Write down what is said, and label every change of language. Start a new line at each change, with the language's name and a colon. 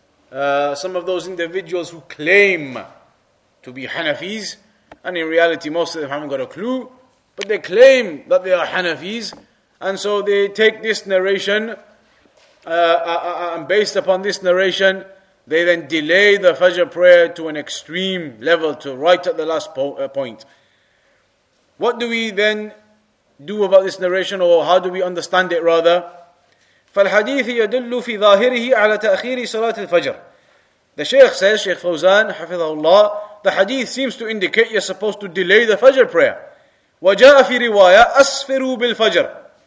English: Some of those individuals who claim to be Hanafis, and in reality most of them haven't got a clue, but they claim that they are Hanafis, and so they take this narration, and based upon this narration, they then delay the Fajr prayer to an extreme level, to right at the last point. What do we then do about this narration, or how do we understand it rather?
Arabic: فالحديث يدل في ظاهره على تأخير صلاة الفجر.
English: The Shaykh says, Shaykh Fawzan,
Arabic: حفظه الله,
English: the hadith seems to indicate you're supposed to delay the Fajr prayer.
Arabic: وجاء في رواية أسفروا بالفجر.